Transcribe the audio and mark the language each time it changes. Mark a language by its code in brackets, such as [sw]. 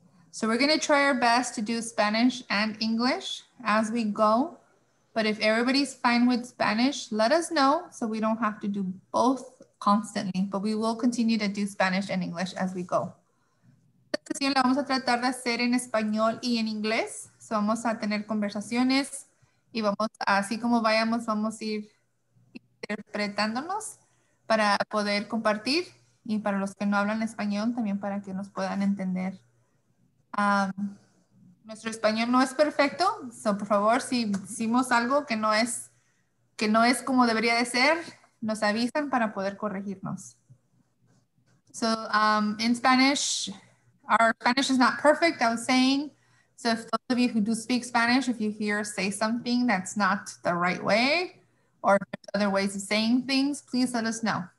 [en] So we're going to try our best to do Spanish and English as we go. But if everybody's fine with Spanish, let us know so we don't have to do both constantly. But we will continue to do Spanish and English as we go. [es] Esta sesión la vamos a tratar de hacer en español y en inglés. So vamos a tener conversaciones y vamos a, así como vayamos, vamos a ir interpretándonos para poder compartir y para los que no hablan español también para que nos puedan entender. Nuestro español no es perfecto, so por favor, si decimos algo que no es como debería de ser, nos avisan para poder corregirnos. [en] So in Spanish, our Spanish is not perfect, I was saying. So if those of you who do speak Spanish, if you hear say something that's not the right way, or if there's other ways of saying things, please let us know.